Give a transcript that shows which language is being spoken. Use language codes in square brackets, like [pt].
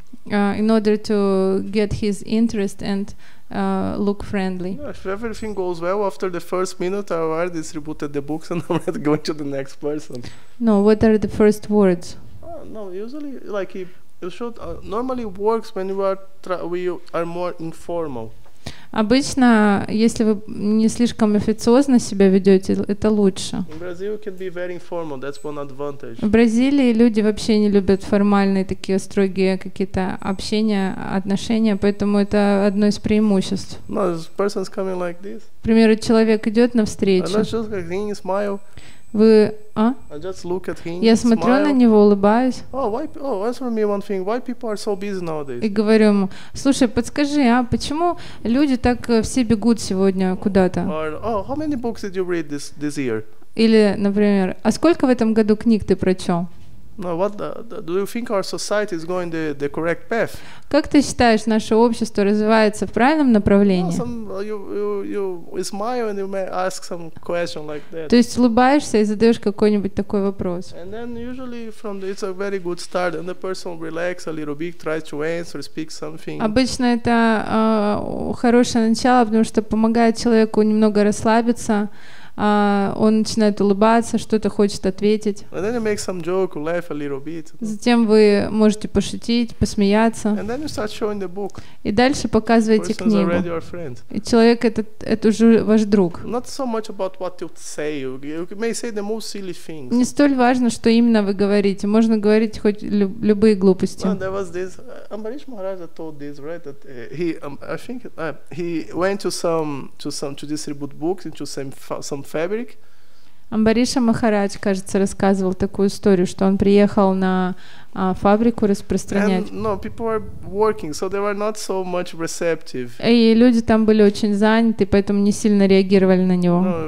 [en] In order to get his interest and look friendly. Yeah, if everything goes well, after the first minute, I've already distributed the books and I'm ready to go to the next person. No, what are the first words? No, usually, like, you should, normally works when we are more informal. [ru] Обычно, если вы не слишком официозно себя ведете, это лучше. [en] In Brazil can be very informal. That's one advantage. [ru] В Бразилии люди вообще не любят формальные такие строгие какие-то общения, отношения, поэтому это одно из преимуществ. [en] No, this person's coming like this. [ru] К примеру, человек идет навстречу. [en] And I just look at him, smile. [ru] Вы, а? [en] I just look at him, [ru] я смотрю [en] smile. [ru] На него, улыбаюсь. [en] Oh, why, answer me one thing. Why people are so busy nowadays? [ru] И говорю ему: слушай, подскажи, а почему люди так все бегут сегодня куда-то? [en] Or, oh, how many books did you read this year? [ru] Или, например, а сколько в этом году книг ты прочел? [en] No, what do you think our society is going the correct path? [ru] Как ты считаешь, наше общество развивается в правильном направлении? [en] No, you smile and you may ask some question like that. [ru] То есть улыбаешься и задаешь какой-нибудь такой вопрос. [en] And then usually from it's a very good start and the person relax a little bit, tries to answer, speak something. [ru] Обычно это хорошее начало, потому что помогает человеку немного расслабиться. Он начинает улыбаться, что-то хочет ответить. [en] And then you make some joke, laugh a little bit. [ru] Затем вы можете пошутить, посмеяться. [en] And then you start showing the book. [ru] И дальше показываете книгу. [en] Person's already your friend. [ru] И человек это уже ваш друг. [en] Not so much about what you say. You may say the most silly things. [ru] Не столь важно, что именно вы говорите. Можно говорить хоть любые глупости. [en] No, there was this. Амбариш Махараджа told this, right? That he went to distribute books into some fabric. [ru] Амбариша Махарадж, кажется, рассказывал такую историю, что он приехал на фабрику распространять. [en] And, no, people were working, so they were not so much receptive. [ru] И люди там были очень заняты, поэтому не сильно реагировали на него.